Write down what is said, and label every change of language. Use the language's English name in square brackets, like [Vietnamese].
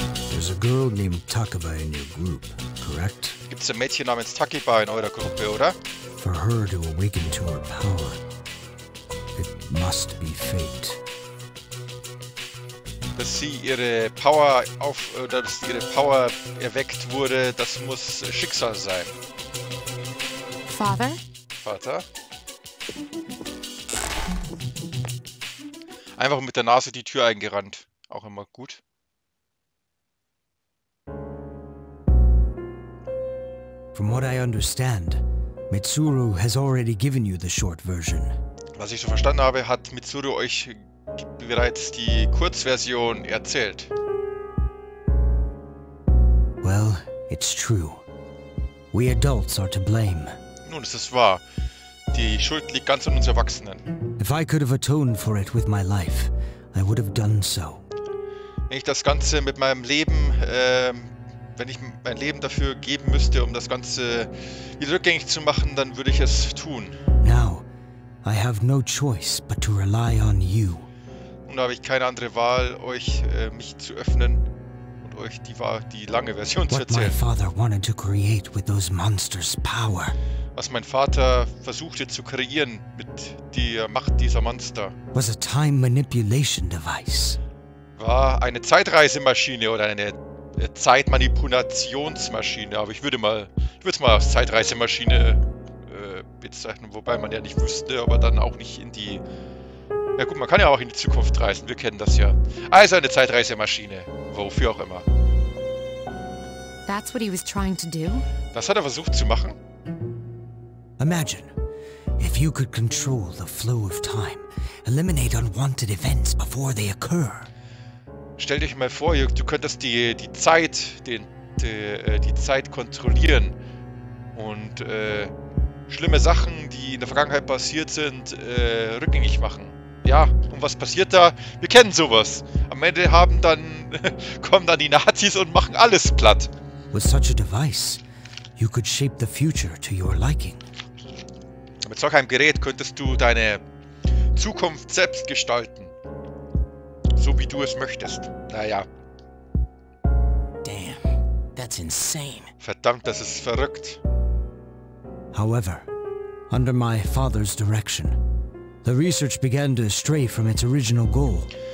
[English] There's a girl named Takeba in your group, correct? [German] Gibt's ein Mädchen namens Takeba in eurer Gruppe, oder? [English] For her to awaken to her power, it must be fate. [German] Dass sie ihre Power auf oder dass ihre Power erweckt wurde, das muss Schicksal sein. Vater? Einfach mit der Nase die Tür eingerannt. Auch immer gut. [English] From what I understand, Mitsuru has already given you the short version. [German] Was ich so verstanden habe, hat Mitsuru euch bereits die Kurzversion erzählt. [English] Well, it's true. We adults are to blame. [German] Nun, es ist wahr. Die Schuld liegt ganz an uns Erwachsenen. [English] If I could have atoned for it with my life, I would have done so. [German] Wenn ich das Ganze mit meinem Leben, wenn ich mein Leben dafür geben müsste, um das Ganze wieder rückgängig zu machen, dann würde ich es tun. [English] Now, I have no choice but to rely on you. [German] Nun habe ich keine andere Wahl, euch mich zu öffnen und euch die lange Version zu [English] What my [German] erzählen. [English] father wanted to create with those monsters' power. [German] Was mein Vater versuchte zu kreieren mit der Macht dieser Monster, [English] Was a time manipulation device. [German] war eine Zeitreisemaschine oder eine Zeitmanipulationsmaschine. Aber ich würde es mal als Zeitreisemaschine bezeichnen, wobei man ja nicht wüsste, aber dann auch nicht in die. Ja gut, man kann ja auch in die Zukunft reisen. Wir kennen das ja. Also eine Zeitreisemaschine, wofür auch immer. [English] That's what he was trying to do. [German] Das hat er versucht zu machen. [English] Imagine, if you could control the flow of time, eliminate unwanted events before they occur. [German] Stell dich mal vor, du könntest die Zeit, die Zeit kontrollieren und schlimme Sachen, die in der Vergangenheit passiert sind, rückgängig machen. Ja, und was passiert da? Wir kennen sowas. Am Ende kommen dann die Nazis und machen alles platt. [English] With such a device, you could shape the future to your liking. [German] Mit solch einem Gerät könntest du deine Zukunft selbst gestalten. So wie du es möchtest. Naja. [English] Damn, that's insane. [German] Verdammt, das ist verrückt. [English] However, under my father's direction, the research began to stray from its original goal.